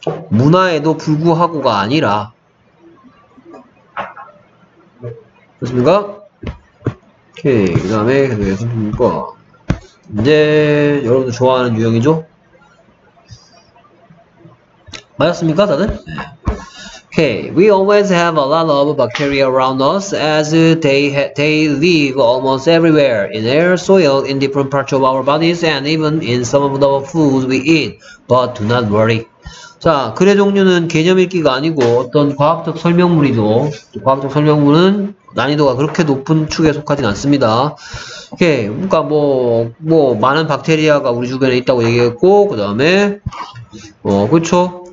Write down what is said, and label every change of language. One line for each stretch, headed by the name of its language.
Korean: 문화에도 불구하고가 아니라. 됐습니까? 오케이. 그 다음에 계속해서 볼까? 이제 여러분들 좋아하는 유형이죠? 맞았습니까, 다들?
English: Okay, we always have a lot of bacteria around us as they live almost everywhere in air, soil, in different parts of our bodies, and even in some of the foods we eat. But do not worry.
Korean: 자, 글의 종류는 개념 읽기가 아니고 어떤 과학적 설명물이죠. 과학적 설명물은 난이도가 그렇게 높은 축에 속하진 않습니다. 오케이. 그러니까 뭐 많은 박테리아가 우리 주변에 있다고 얘기했고, 그다음에 그렇죠.